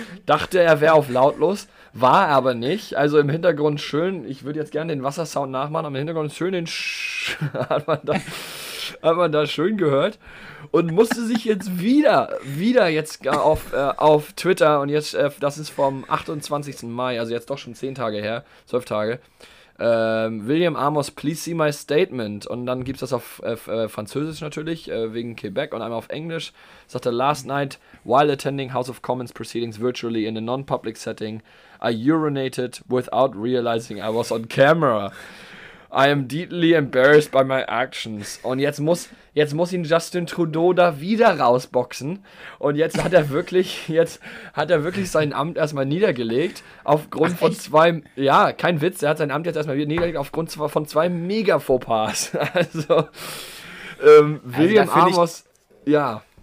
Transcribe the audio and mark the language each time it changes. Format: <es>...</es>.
<de>Dachte, er wäre auf lautlos, war aber nicht. Also im Hintergrund schön, ich würde jetzt gerne den Wassersound nachmachen, aber im Hintergrund schön den hat man da schön gehört und musste sich jetzt wieder jetzt auf Twitter und jetzt, das ist vom 28. Mai, also jetzt doch schon 10 Tage her, 12 Tage, William Amos,</de> <en>please see my statement.</en> <de>Und dann gibt's das auf Französisch natürlich, wegen Quebec, und einmal auf Englisch. Sagt er,</de> <en>last night, while attending House of Commons proceedings virtually in a non-public setting, I urinated without realizing I was on camera. I am deeply embarrassed by my actions.</en> <de>Und jetzt muss ihn Justin Trudeau da wieder rausboxen. Und jetzt hat er wirklich sein Amt erstmal niedergelegt. Aufgrund von zwei, ja, kein Witz, er hat sein Amt jetzt erstmal wieder niedergelegt aufgrund von zwei Mega-Fauxpas. Also, William Amos, ja.</de>